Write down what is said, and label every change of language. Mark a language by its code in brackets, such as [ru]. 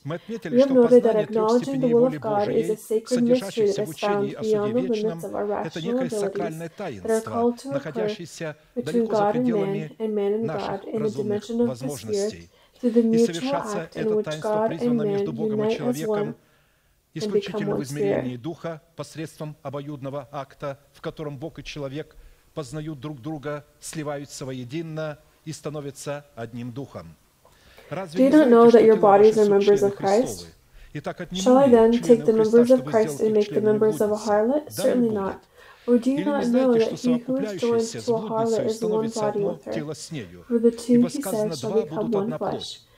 [en] We have noted that acknowledging the will of God is a sacred mystery that is found beyond the limits of our rational abilities that are called to occur between God and man and God in the dimension of the Spirit through the mutual act in which God and man unite as one and become one Spirit. [ru] Посредством обоюдного акта, в котором Бог и человек познают друг друга, сливаются воедино и становятся одним духом. [en] Do you not know that your bodies are members of Christ? Shall I then take the members of Christ and make the members of a harlot? Certainly not. Or do you not know that he who is joined to a harlot is one body with her? For the two, he says, shall become one flesh.